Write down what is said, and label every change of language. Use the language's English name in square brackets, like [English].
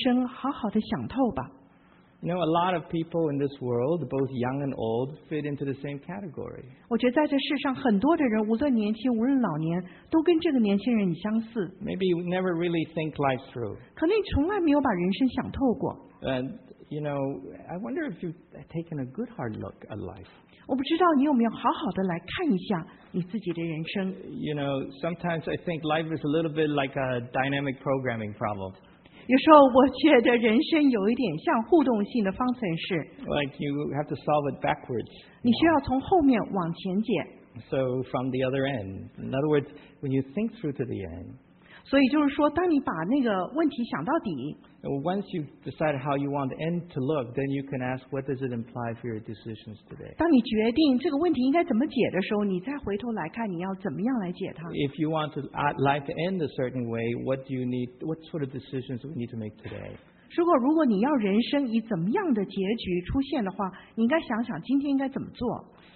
[Chinese] 教授就说：“年轻人啊，你实在是太不聪明了。回家，你把人生好好的想透吧。”You [English] know, a lot of people in this world, both young and old, fit into the same category. [Chinese] 我觉得在这世上很多的人，无论年轻无论老年，都跟这个年轻人很相似。Maybe [English] you never really think life through. [Chinese] 可能你从来没有把人生想透过。And [English] you know, I wonder if you've taken a good hard look at life. [Chinese] 我不知道你有没有好好的来看一下你自己的人生。 [English] You know, sometimes I think life is a little bit like a dynamic programming problem. [Chinese] 有时候我觉得人生有一点像互动性的方程式。 [English] Like you have to solve it backwards. [Chinese] 你需要从后面往前解。So [English] from the other end. In other words, when you think through to the end. [Chinese] 所以就是说，当你把那个问题想到底。 [English] Once you decide how you want the end to look, then you can ask what does it imply for your decisions today. [Chinese] 当你决定这个问题应该怎么解的时候，你再回头来看你要怎么样来解它。 [English] If you want to life to end a certain way, what do you need? What sort of decisions do we need to make today? [Chinese] 如果你要人生以怎么样的结局出现的话，你应该想想今天应该怎么做。